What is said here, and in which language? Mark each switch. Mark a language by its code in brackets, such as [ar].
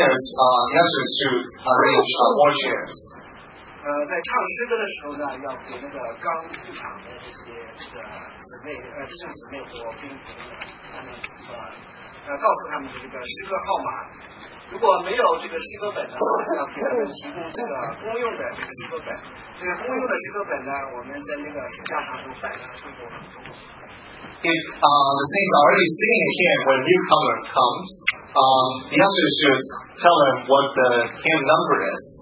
[en] If we don't have enough chairs, ushers should arrange more chairs. [zh] 在唱诗歌的时候呢，要给那个刚入场的这些这个姊妹弟兄姊妹和弟兄姊妹，他们告诉他们这个诗歌号码。 [en] If the saints are already singing a hymn when a newcomer comes, the usher should tell them what the hymn number is.